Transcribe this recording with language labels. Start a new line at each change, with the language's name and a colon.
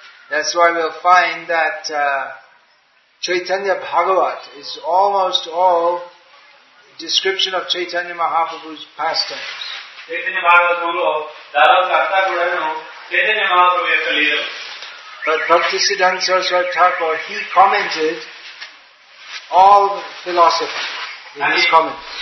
English: That's why we'll find that Chaitanya Bhagavat is almost all description of Chaitanya Mahaprabhu's pastimes.
Telugu: Chaitanya భాగవతంలో ధరంకర్త కూడాను చైతన్య మహాప్రభు యొక్క లీలలు.
English: But Bhaktisiddhanta Saraswati Thakur, he commented all the philosophy in and his comment.